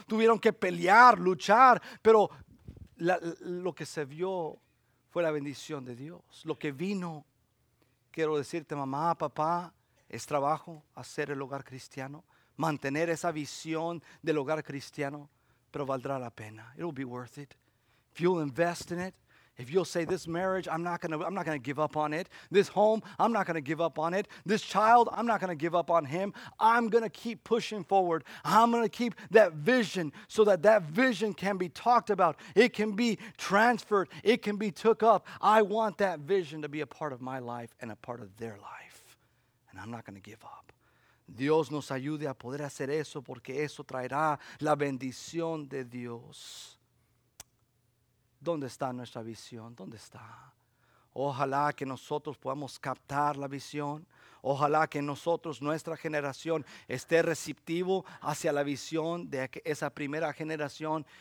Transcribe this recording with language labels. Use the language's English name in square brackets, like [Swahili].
[Spanish] Tuvieron que pelear, luchar, pero lo que se vio fue la bendición de Dios. Lo que vino, quiero decirte, mamá, papá, es trabajo hacer el hogar cristiano, mantener esa visión del hogar cristiano, pero valdrá la pena. [English] It'll be worth it. If you'll invest in it, if you'll say, this marriage, I'm not gonna give up on it. This home, I'm not gonna give up on it. This child, I'm not gonna give up on him. I'm gonna keep pushing forward. I'm gonna keep that vision, so that vision can be talked about. It can be transferred. It can be took up. I want that vision to be a part of my life and a part of their life. And I'm not gonna give up. [Spanish] Dios nos ayude a poder hacer eso, porque eso traerá la bendición de Dios. ¿Dónde está nuestra visión? ¿Dónde está? Ojalá que nosotros podamos captar la visión. Ojalá que nosotros, nuestra generación, esté receptivo hacia la visión de esa primera generación.